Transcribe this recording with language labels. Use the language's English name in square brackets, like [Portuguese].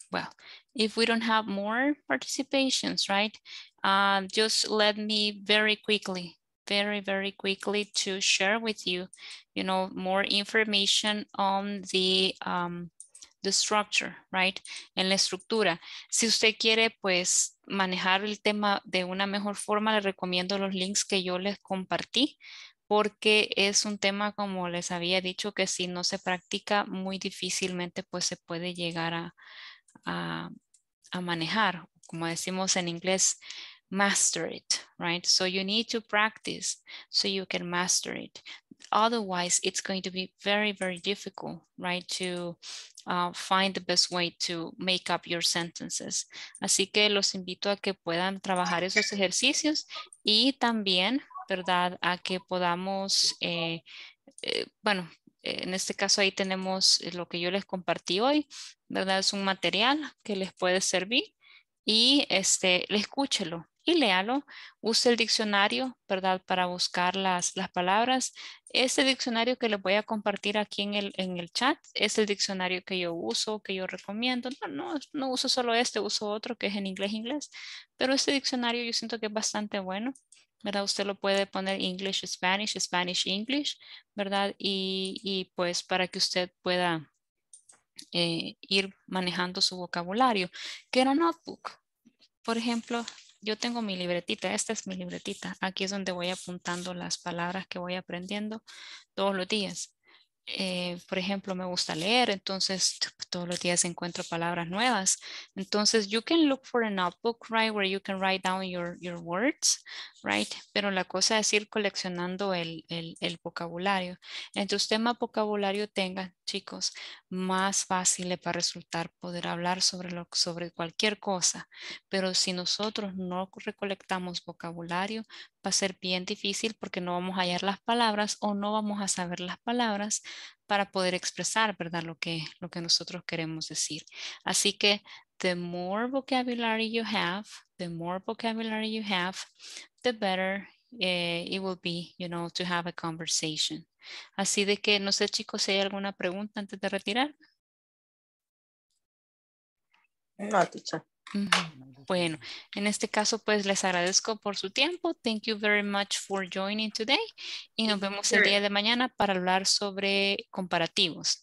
[English] Well, if we don't have more participations, right? Just let me very quickly to share with you, you know, more information on the structure, right? [Spanish] En la estructura. Si usted quiere, pues, manejar el tema de una mejor forma, le recomiendo los links que yo les compartí, porque es un tema, como les había dicho, que si no se practica, muy difícilmente, pues, se puede llegar a manejar. Como decimos en inglés, [English] master it, right? So you need to practice so you can master it. Otherwise, it's going to be very, very difficult, right, to find the best way to make up your sentences. [Spanish] Así que los invito a que puedan trabajar esos ejercicios y también, ¿verdad?, a que podamos, en este caso ahí tenemos lo que yo les compartí hoy, ¿verdad? Es un material que les puede servir y escúchelo. Y léalo, use el diccionario, ¿verdad? Para buscar las palabras. Este diccionario que les voy a compartir aquí en el chat es el diccionario que yo uso, que yo recomiendo. No uso solo este, uso otro que es en inglés. Pero este diccionario yo siento que es bastante bueno, ¿verdad? Usted lo puede poner English, Spanish, Spanish, English, ¿verdad? Y pues para que usted pueda ir manejando su vocabulario. [English] Get a notebook, [Spanish] por ejemplo. Yo tengo mi libretita, esta es mi libretita. Aquí es donde voy apuntando las palabras que voy aprendiendo todos los días. por ejemplo, me gusta leer, entonces todos los días encuentro palabras nuevas. [English] Entonces, you can look for a notebook, right, where you can write down your words, right? [Spanish] Pero la cosa es ir coleccionando el vocabulario. Entre usted más vocabulario tenga, chicos, más fácil le va a resultar poder hablar sobre cualquier cosa. Pero si nosotros no recolectamos vocabulario, va a ser bien difícil porque no vamos a hallar las palabras o no vamos a saber las palabras para poder expresar, ¿verdad?, lo que nosotros queremos decir. Así que [English] the more vocabulary you have, the more vocabulary you have, the better it will be, you know, to have a conversation. [Spanish] Así de que, no sé, chicos, si hay alguna pregunta antes de retirar. [English] No, teacher. [Spanish] Bueno, en este caso, pues, les agradezco por su tiempo. [English] Thank you very much for joining today. [Spanish] Y nos vemos el día de mañana para hablar sobre comparativos.